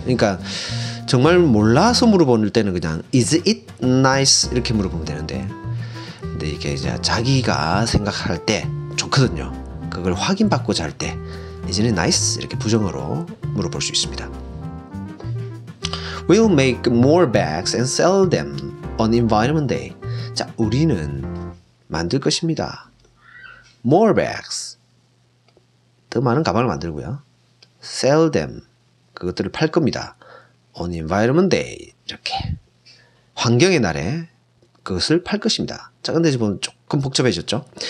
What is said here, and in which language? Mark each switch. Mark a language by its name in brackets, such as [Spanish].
[Korean] 그러니까 정말 몰라서 물어보는 때는 그냥 [English] Is it nice? [Korean] 이렇게 물어보면 되는데 근데 이게 이제 자기가 생각할 때 좋거든요. 그걸 확인받고 잘 때 [English] Is it nice? [Korean] 이렇게 부정으로 물어볼 수 있습니다. [English] We'll make more bags and sell them on Environment Day. [Korean] 자, 우리는 만들 것입니다. [English] More bags. [Korean] 더 많은 가방을 만들고요. [English] Sell them. [Korean] 그것들을 팔 겁니다. [English] On Environment Day. 이렇게. [Korean] 환경의 날에 그것을 팔 것입니다. 자, 근데 지금 조금 복잡해졌죠?